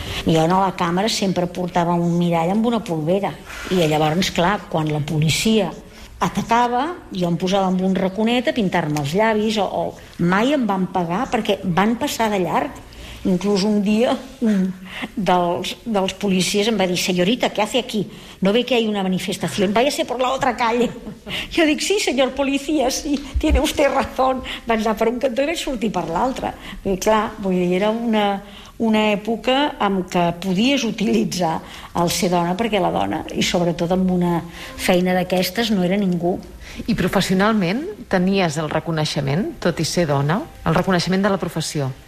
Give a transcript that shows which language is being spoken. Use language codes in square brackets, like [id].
[ca] Jo a la càmera sempre portava un mirall amb una polvera. I llavors, clar, quan la policia atacava, jo em posava amb un raconet a pintar-me els llavis o mai em van pagar perquè van passar de llarg. Inclús un dia un dels policies em va dir, senyorita, què [es] hace aquí? No ve que hay una manifestación, váyase por la otra calle. [ca] Jo dic, sí, senyor policia, sí, [es] tiene usted razón. [ca] Va anar per un cantó i vaig sortir per l'altre. I clar, vull dir, era una època en què podies utilitzar el ser dona, perquè la dona, i sobretot amb una feina d'aquestes, no era ningú. I professionalment tenies el reconeixement, tot i ser dona, el reconeixement de la professió?